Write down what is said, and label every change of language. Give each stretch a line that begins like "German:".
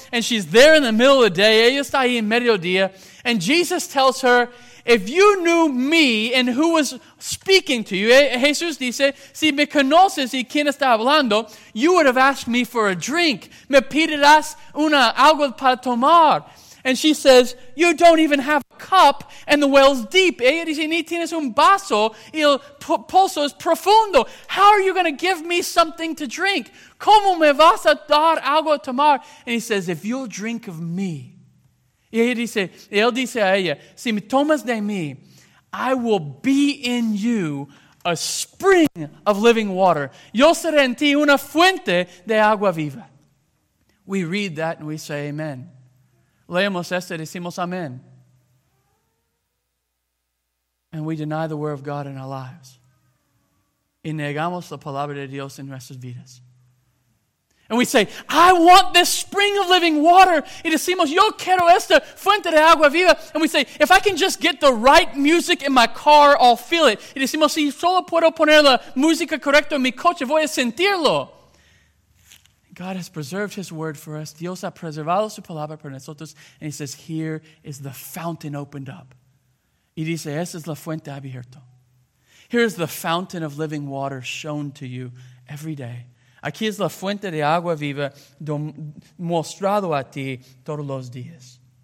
English: And she's there in the middle of the day.
Spanish: Ella está ahí en mediodía.
English: And Jesus tells her, if you knew me and who was speaking to you,
Spanish: Jesús dice, si me conoces y quién está hablando,
English: you would have asked me for a drink.
Spanish: Me pedirás una agua para tomar.
English: And she says, you don't even have a cup, and the well's deep.
Spanish: Ella dice, ni tienes un vaso, y el pozo es profundo.
English: How are you going to give me something to drink?
Spanish: ¿Cómo me vas a dar algo a tomar?
English: And he says, if you'll drink of me.
Spanish: Y ella dice, él dice a ella, si me tomas de mí,
English: I will be in you a spring of living water.
Spanish: Yo seré en ti una fuente de agua viva.
English: We read that and we say, amen.
Spanish: Leemos esto y decimos amén.
English: And we deny the word of God in our lives.
Spanish: Y negamos la palabra de Dios en nuestras vidas.
English: And we say, I want this spring of living water.
Spanish: Y decimos, yo quiero esta fuente de agua viva.
English: And we say, if I can just get the right music in my car, I'll feel it.
Spanish: Y decimos, si solo puedo poner la música correcta en mi coche, voy a sentirlo.
English: God has preserved his word for us.
Spanish: Dios ha preservado su palabra para nosotros.
English: And he says, here is the fountain opened up.
Spanish: Y dice, esa es la fuente abierta.
English: Here is the fountain of living water shown to you every day.
Spanish: Aquí es la fuente de agua viva mostrado a ti todos los días.